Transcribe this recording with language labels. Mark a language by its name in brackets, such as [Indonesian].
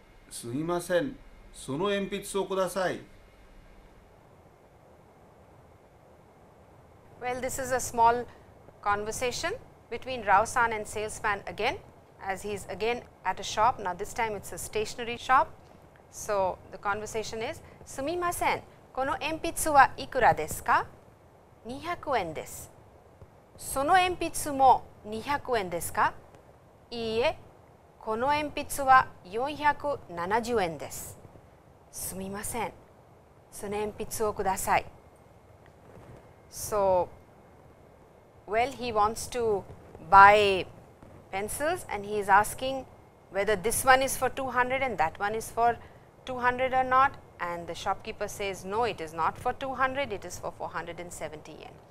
[Japanese] すみません。その鉛筆をください。 [English] Well, this is a small conversation between Rao-san and salesman again, as he is again at a shop. Now, this time it's a stationery shop. So, the conversation is, [Japanese] すみません。この鉛筆はいくらですか ?200 円です。その鉛筆も200円ですか?いいえ、この鉛筆は470円です。すみません。その鉛筆をください。 [English] So, well, he wants to buy pencils and he is asking whether this one is for 200 and that one is for 200 or not. And the shopkeeper says, no, it is not for 200, it is for 470 yen.